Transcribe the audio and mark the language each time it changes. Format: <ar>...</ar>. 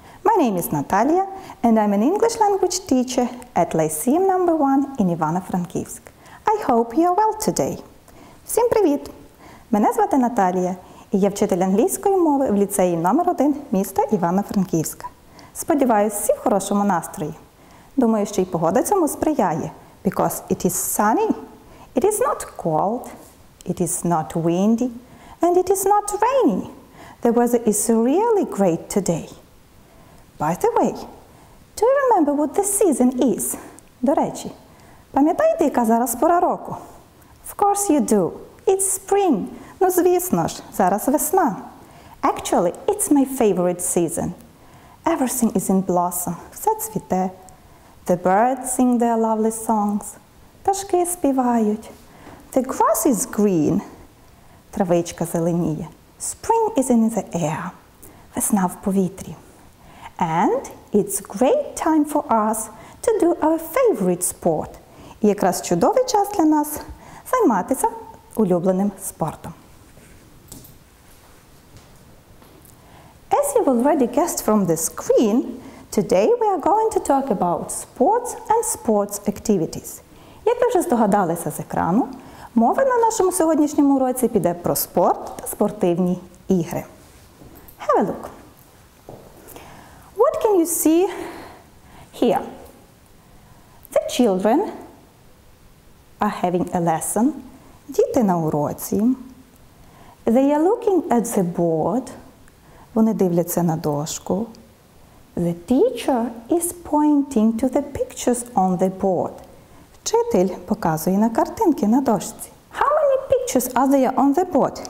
<en>My name is Natalia and I'm an English language teacher at Lyceum No. 1 in Ivano-Frankivsk. I hope you are well today.</en> <uk>Всім привіт! Мене звати Наталія і я вчитель англійської мови в ліцеї No. 1 міста Івано-Франківськ. Сподіваюсь, всі в хорошому настрої. Думаю, що й погода цьому сприяє,</uk> <en>because it is sunny, it is not cold, it is not windy, and it is not rainy. The weather is really great today. By the way, do you remember what the season is?</en> <uk>До речі, пам'ятаєте, яка зараз пора року?</uk> <en>Of course you do. It's spring.</en> <uk>Ну, звісно ж, зараз весна.</uk> <en>Actually, it's my favorite season. Everything is in blossom.</en> <uk>Все цвіте.</uk> <en>The birds sing their lovely songs.</en> <uk>Пташки співають.</uk> <en>The grass is green.</en> <uk>Травичка зеленіє.</uk> <en>Spring is in the air.</en> <uk>Весна в повітрі.</uk> <en>And it's great time for us to do our favorite sport.</en> <uk>І якраз чудовий час для нас займатися улюбленим спортом.</uk> <en>As you've already guessed from the screen, today we are going to talk about sports and sports activities.</en> <uk>Як ви вже здогадалися з екрану, мова на нашому сьогоднішньому уроці піде про спорт та спортивні ігри.</uk> <en>Have a look. What can you see here? The children are having a lesson.</en> <uk>Діти на уроці.</uk> <en>They are looking at the board.</en> <uk>Вони дивляться на дошку.</uk> <en>The teacher is pointing to the pictures on the board.</en> <uk>Вчитель показує на картинки на дошці.</uk> <en>How many pictures are there on the board?</en>